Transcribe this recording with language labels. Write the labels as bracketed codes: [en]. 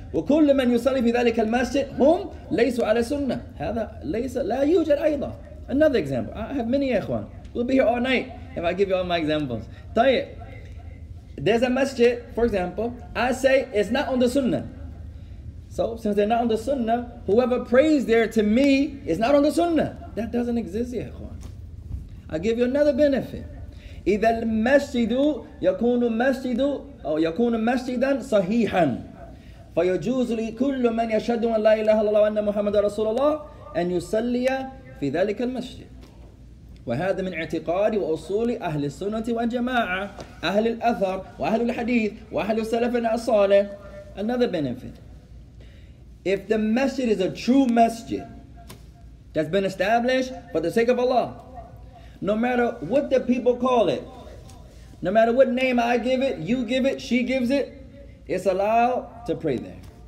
[ar] وكل من يصلي في ذلك المسجد هم ليسوا على سنة. هذا ليس لا يوجد أيضا. [en] Another example. I have many إخوان. We'll be here all night if I give you all my examples. [ar] طيب. [en] There's a masjid, for example. I say it's not on the sunnah. So since they're not on the sunnah, whoever prays there to me is not on the sunnah. That doesn't exist, ya ikhwan. I give you another benefit. [ar] إذا المسجد يكون مسجد أو يكون مسجدا صحيحا فيجوز لكل من يشهد أن لا إله إلا الله وأن محمد رسول الله أن يصلي في ذلك المسجد. وهذا من اعتقاد وأصول أهل السنة والجماعة أهل الأثر وأهل الحديث وأهل السلف الصالح. [en] Another benefit. If the masjid is a true masjid that's been established for the sake of Allah, no matter what the people call it, no matter what name I give it, you give it, she gives it, it's allowed to pray there.